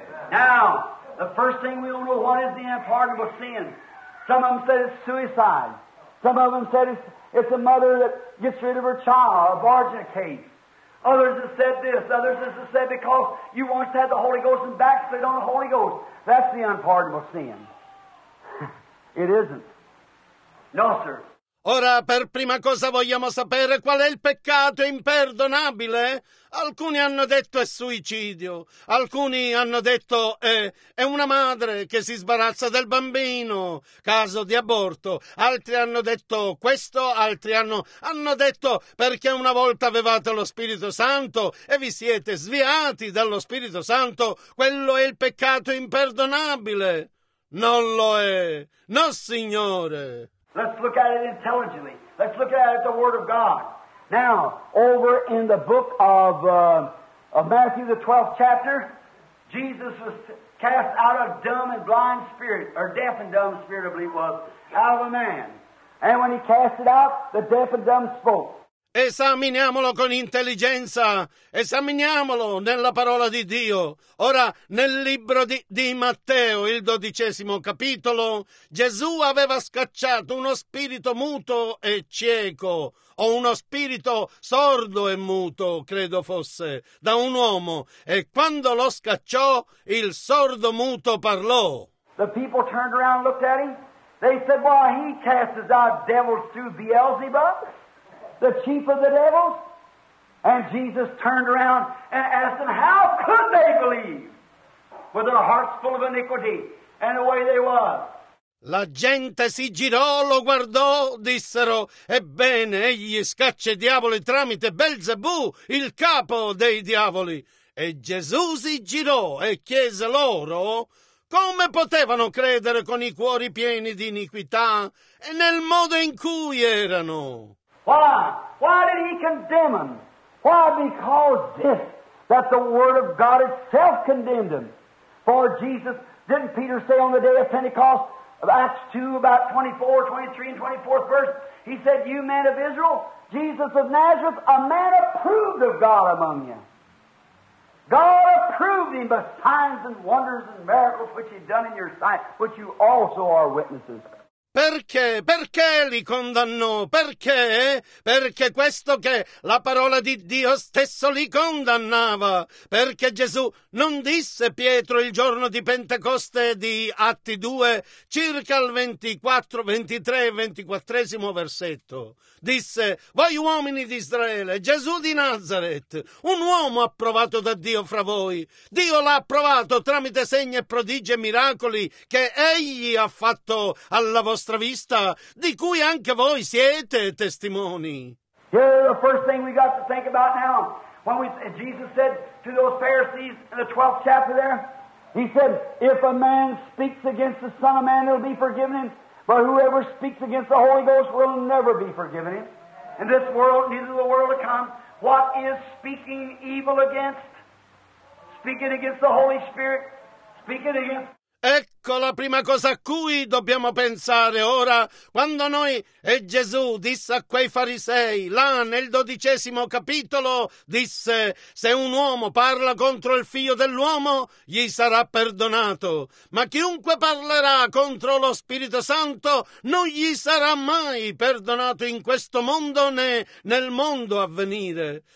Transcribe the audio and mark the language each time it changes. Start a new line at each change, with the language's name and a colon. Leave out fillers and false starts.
English: Now, the first thing we don't know, what is the unpardonable sin? Some of them said it's suicide. Some of them said it's a mother that gets rid of her child, abortion case. Others have said this. Others have said because you once had the Holy Ghost and backslid on the Holy Ghost. That's the unpardonable sin. It isn't. No, sir.
Italian: Ora, per prima cosa vogliamo sapere qual è il peccato imperdonabile. Alcuni hanno detto è suicidio, alcuni hanno detto è una madre che si sbarazza del bambino, caso di aborto. Altri hanno detto questo, altri hanno detto perché una volta avevate lo Spirito Santo e vi siete sviati dallo Spirito Santo, quello è il peccato imperdonabile. Non lo è, no Signore.
English: Let's look at it intelligently. Let's look at it at the Word of God. Now, over in the book of Matthew, the 12th chapter, Jesus was cast out a dumb and blind spirit, or deaf and dumb spirit, I believe it was, out of a man. And when he cast it out, the deaf and dumb spoke.
Italian: Esaminiamolo con intelligenza, esaminiamolo nella parola di Dio. Ora, nel libro di Matteo, il 12° capitolo, Gesù aveva scacciato uno spirito muto e cieco, o uno spirito sordo e muto, credo fosse, da un uomo. E quando lo scacciò, il sordo muto parlò.
English: The people turned around and looked at him. They said, "Well, he casts out devils through Beelzebub, the chief of the devils." And Jesus turned around and asked them, "How could they believe with their hearts full of iniquity?" And away they were.
Italian: La gente si girò, lo guardò, dissero, "Ebbene, egli scaccia i diavoli tramite Belzebù, il capo dei diavoli." E Gesù si girò e chiese loro come potevano credere con i cuori pieni di iniquità e nel modo in cui erano.
English: Why? Why did he condemn them? Why? Because this, that the Word of God itself condemned them. For Jesus, didn't Peter say on the day of Pentecost, of Acts 2, about 24, 23 and 24th verse, he said, "You men of Israel, Jesus of Nazareth, a man approved of God among you." God approved him by signs and wonders and miracles which he'd done in your sight, which you also are witnesses.
Italian: Perché? Perché li condannò? Perché? Perché questo che la parola di Dio stesso li condannava. Perché Gesù non disse Pietro il giorno di Pentecoste di Atti 2, circa il 24, 23 e 24 versetto. Disse, "Voi uomini di Israele, Gesù di Nazareth, un uomo approvato da Dio fra voi. Dio l'ha approvato tramite segni e prodigi e miracoli che egli ha fatto alla vostra vista, di cui anche voi siete testimoni."
English: Here, the first thing we got to think about now, when Jesus said to those Pharisees in the 12th chapter there, he said, "If a man speaks against the Son of Man, it'll be forgiven him, but whoever speaks against the Holy Ghost will never be forgiven him. In this world, neither the world to come, what is speaking evil against? Speaking against the Holy Spirit, speaking against..."
Italian: Ecco la prima cosa a cui dobbiamo pensare ora, quando noi, e Gesù disse a quei farisei, là nel 12° capitolo, disse, "Se un uomo parla contro il figlio dell'uomo, gli sarà perdonato, ma chiunque parlerà contro lo Spirito Santo, non gli sarà mai perdonato in questo mondo né nel mondo a venire."